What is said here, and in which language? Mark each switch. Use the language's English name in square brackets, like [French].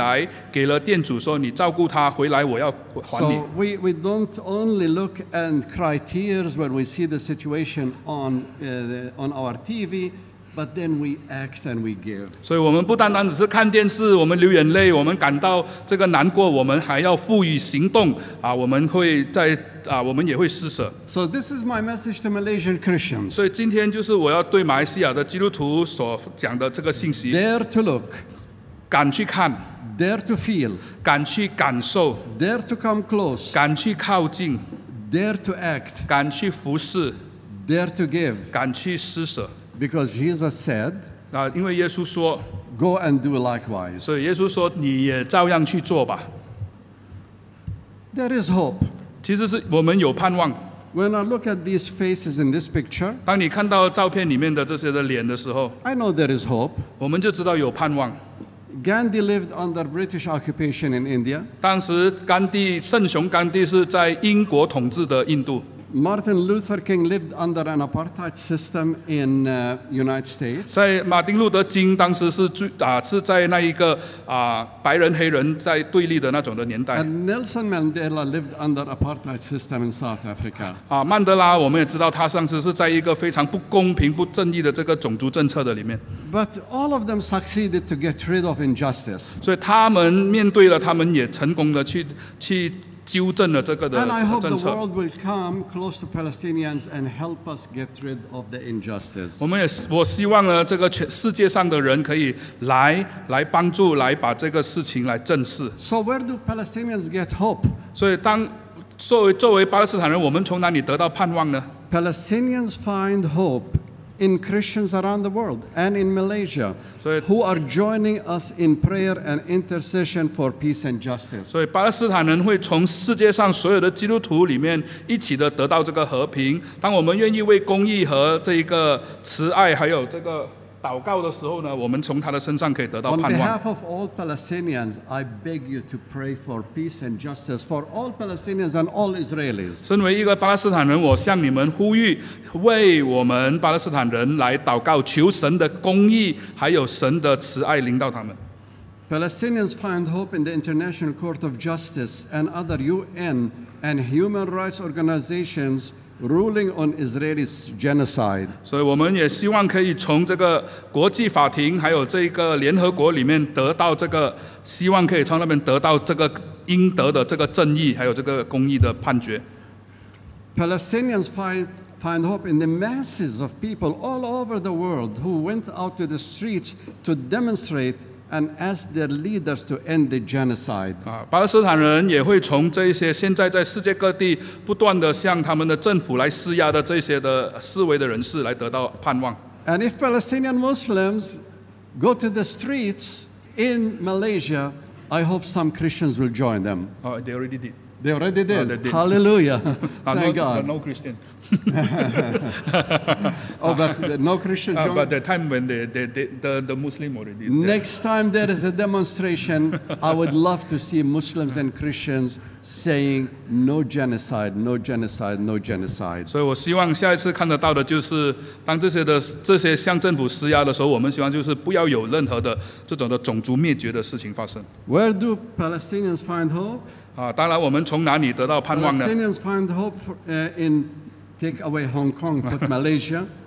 [Chinese] 所以这边他就说他敢于施舍，就是在第二天他拿了2个硬币来给了店主说，你照顾他回来，我要还你。 [English] So we don't only look and cry tears when we see the situation on our TV. But then we act and we give. [Chinese] 所以我们不单单只是看电视，我们流眼泪，我们感到这个难过，我们还要赋予行动。我们会在，我们也会施舍。 [English] So this is my message to Malaysian Christians. [Chinese] 所以今天就是我要对马来西亚的基督徒所讲的这个信息。 [English] Dare to look. [Chinese] 敢去看 [English] ，dare to feel， [Chinese] 敢去感受 [English] ，dare to come close， [Chinese] 敢去靠近 [English] ，dare to act， [Chinese] 敢去服事 [English] ，dare to give， [Chinese] 敢去施舍 [English] ，because Jesus said， [Chinese] 啊，因为耶稣说 [English] ，go and do likewise， [Chinese] 所以耶稣说你也照样去做吧。 [English] There is hope， [Chinese] 其实是我们有盼望。 [English] When I look at these faces in this picture， [Chinese] 当你看到照片里面的这些的脸的时候 [English] ，I know there is hope， [Chinese] 我们就知道有盼望。 [English] Gandhi lived under British occupation in India。 [Chinese] 当时甘地，圣雄甘地是在英国统治的印度。 [English] Martin Luther King lived under an apartheid system in United States。 [Chinese] 在马丁路德金当时是最啊是在那一个啊白人黑人在对立的那种的年代。 [English] And Nelson Mandela lived under apartheid system in South Africa。 [Chinese] 啊，曼德拉我们也知道他上次是在一个非常不公平、不正义的这个种族政策的里面。 [English] But all of them succeeded to get rid of injustice。 [Chinese] 所以他们面对了，他们也成功的去。纠正了这个的政策。 [English] And I hope the world will come close to Palestinians and help us get rid of the injustice. [Chinese] 我们也我希望呢，这个全世界上的人可以来帮助，来把这个事情来正视。 [English] So where do Palestinians get hope? [Chinese] 所以当作为巴勒斯坦人，我们从哪里得到盼望呢 [English] ？Palestinians find hope in Christians around the world and in Malaysia, who are joining us in prayer and intercession for peace and justice. [Chinese] 所以巴勒斯坦人会从世界上所有的基督徒里面一起的得到这个和平。当我们愿意为公义和这个慈爱还有这个祷告的时候呢，我们从他的身上可以得到盼望。 [English] On behalf of all Palestinians, I beg you to pray for peace and justice for all Palestinians and all Israelis. [Chinese] 身为一个巴勒斯坦人，我向你们呼吁，为我们巴勒斯坦人来祷告，求神的公义还有神的慈爱临到他们。 [English] Palestinians find hope in the International Court of Justice and other UN and human rights organizations. Ruling on Israeli's genocide. [Chinese] 所以我们也希望可以从这个国际法庭，还有这个联合国里面得到这个，希望可以从那边得到这个应得的这个正义，还有这个公义的判决。 [English] Palestinians find hope in the masses of people all over the world who went out to the streets to demonstrate. And ask their leaders to end the genocide. [Chinese] 巴勒斯坦人也会从这些现在在世界各地不断的向他们的政府来施压的这些的示威的人士来得到盼望。 [English] And if Palestinian Muslims go to the streets in Malaysia, I hope some Christians will join them. Oh, they already did. They already did. Hallelujah. Thank God. No Christian. Oh, but no Christian. But the time when the Muslim already. Next time there is a demonstration, I would love to see Muslims and Christians saying no genocide, no genocide, no genocide. [Chinese] 所以我希望下一次看得到的就是当这些向政府施压的时候，我们希望就是不要有任何的这种的种族灭绝的事情发生。 [English] Where do Palestinians find hope? [Chinese] 当然，我们从哪里得到盼望呢 [English] ？Palestinians find hope for, in take away Hong Kong, put Malaysia.